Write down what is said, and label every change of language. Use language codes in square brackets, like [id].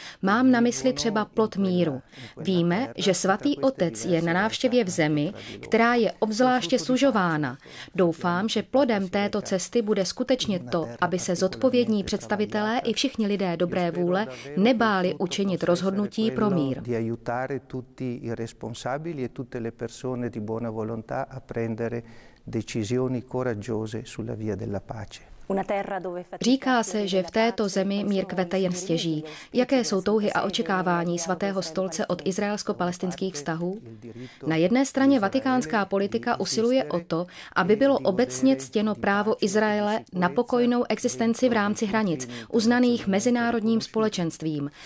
[cs] Mám na mysli třeba plod míru. Víme, že svatý otec je na návštěvě v zemi, která je obzvláště sužována. Doufám, že plodem této cesty bude skutečně to, aby se zodpovědní představitelé i všichni lidé dobré vůle nebáli učinit rozhodnutí pro mír. [it] Di aiutare tutti i responsabili e tutte le persone di buona volontà a prendere decisioni coraggiose sulla via della pace. [cs] Říká se, že v této zemi mír kvete jen stěží. Jaké jsou touhy a očekávání Svatého stolce od izraelsko-palestinských vztahů? Na jedné straně vatikánská politika usiluje o to, aby bylo obecně ctěno právo Izraele na pokojnou existenci v rámci hranic, uznaných mezinárodním společenstvím.